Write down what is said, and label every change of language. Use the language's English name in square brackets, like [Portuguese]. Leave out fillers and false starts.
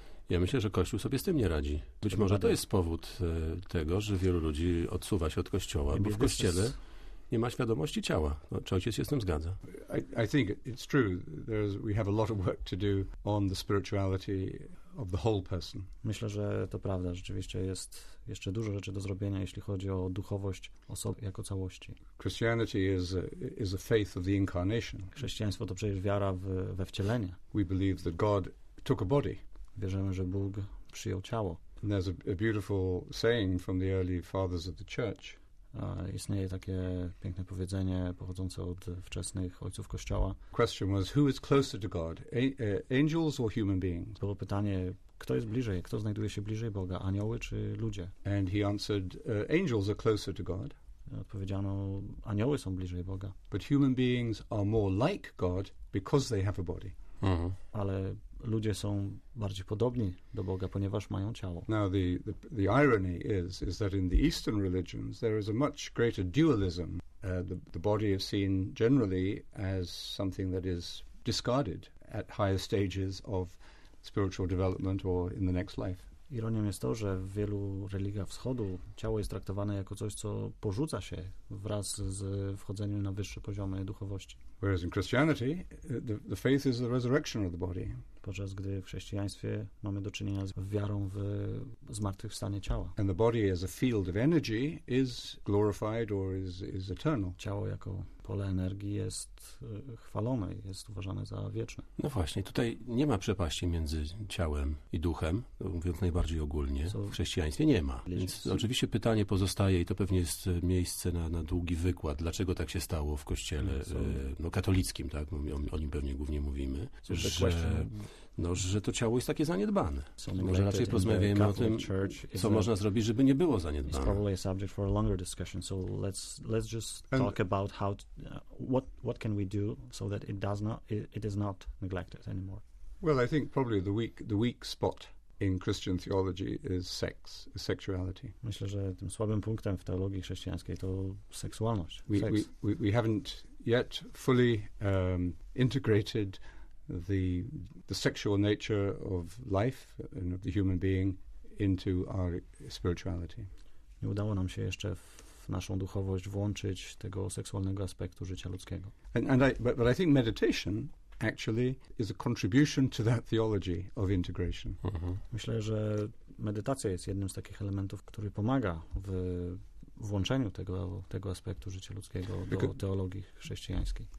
[Polish] Ja myślę, że Kościół sobie z tym nie radzi. Być może to jest powód tego, że wielu ludzi odsuwa się od Kościoła, bo w Kościele nie ma świadomości ciała. No, czy ojciec się z tym zgadza? [English] I think it's true. There's, we have a lot of work to do on the spirituality of the whole person. [Polish] Myślę, że to prawda. Rzeczywiście jest jeszcze dużo rzeczy do zrobienia, jeśli chodzi o duchowość osoby jako całości. [English] Christianity is a faith of the incarnation. [Polish] Chrześcijaństwo to przecież wiara we wcielenie. [English] We believe that God took a body. [Polish] Wierzymy, że Bóg przyjął ciało. [English] And there's a beautiful saying from the early fathers of the church. [Polish] Istnieje takie piękne powiedzenie pochodzące od wczesnych ojców Kościoła. [English] Question was, who is closer to God, angels or human beings? [Polish] Było pytanie, kto jest bliżej, kto znajduje się bliżej Boga, anioły czy ludzie? [English] And he answered, angels are closer to God. [Polish] Odpowiedziano, anioły są bliżej Boga. [English] But human beings are more like God because they have a body. [Polish] Ale ludzie są bardziej podobni do Boga, ponieważ mają ciało. [English] Now the irony is that in the Eastern religions there is a much greater dualism. The body is seen generally as something that is discarded at higher stages of spiritual development or in the next life. [Polish] Ironią jest to, że w wielu religiach wschodu ciało jest traktowane jako coś, co porzuca się wraz z wchodzeniem na wyższe poziomy duchowości. [English] Whereas in Christianity, the faith is the resurrection of the body. [Polish] Podczas gdy w chrześcijaństwie mamy do czynienia z wiarą w zmartwychwstanie ciała. [English] And the body as a field of energy is glorified or is eternal. [Polish] Ciało jako pole energii jest chwalone, jest uważane za wieczne. No właśnie, tutaj nie ma przepaści między ciałem i duchem, mówiąc najbardziej ogólnie. W chrześcijaństwie nie ma. Więc oczywiście pytanie pozostaje i to pewnie jest miejsce na długi wykład, dlaczego tak się stało w kościele no, katolickim, tak? O nim pewnie głównie mówimy, że no, że to ciało jest takie zaniedbane. Może raczej porozmawiajmy o tym, co można zrobić, żeby nie było zaniedbane. [English] It's probably a subject for a longer discussion, so let's just talk about how what can we do so that it is not neglected anymore. Well, I think probably the weak spot in Christian theology is sex, sexuality. [Polish] Myślę, że tym słabym punktem w teologii chrześcijańskiej to seksualność. [English] We haven't yet fully integrated the sexual nature of life and of the human being into our spirituality. [Polish] Nie udało nam się jeszcze w naszą duchowość włączyć tego seksualnego aspektu życia ludzkiego. [English] But I think meditation actually is a contribution to that theology of integration. [Polish] Myślę, że medytacja jest jednym z takich elementów, który pomaga w włączeniu tego aspektu życia ludzkiego do teologii chrześcijańskiej.